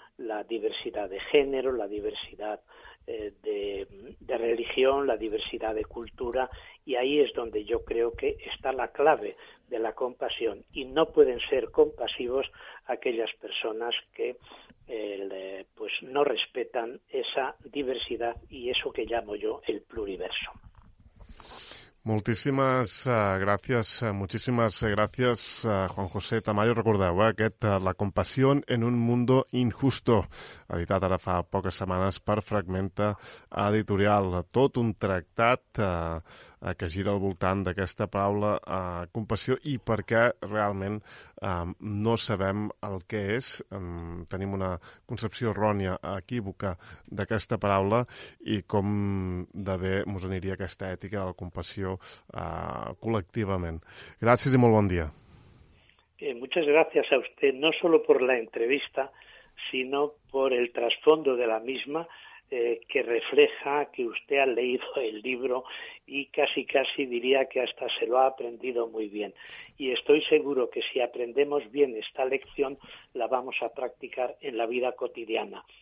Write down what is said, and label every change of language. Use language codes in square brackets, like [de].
[es] la diversidad de género, la diversidad de religión, la diversidad de cultura, y ahí es donde yo creo que está la clave de la compasión. Y no pueden ser compasivos aquellas personas que pues no respetan esa diversidad y eso que llamo yo el pluriverso. [ca] Moltíssimes gràcies, moltíssimes gràcies, Juan José Tamayo. Recordeu, aquest La compasión en un mundo injusto, editat ara fa poques setmanes per Fragmenta Editorial. Tot un tractat que gira al voltant d'aquesta paraula compassió i perquè realment no sabem el que és. Tenim una concepció errònia, equívoca d'aquesta paraula i com de bé ens aniria aquesta ètica de la compassió col·lectivament. Gràcies i molt bon dia. [es] Muchas gracias a usted, no solo por la entrevista, sino por el trasfondo de la misma, que refleja que usted ha leído el libro y casi casi diría que hasta se lo ha aprendido muy bien. Y estoy seguro que si aprendemos bien esta lección, la vamos a practicar en la vida cotidiana.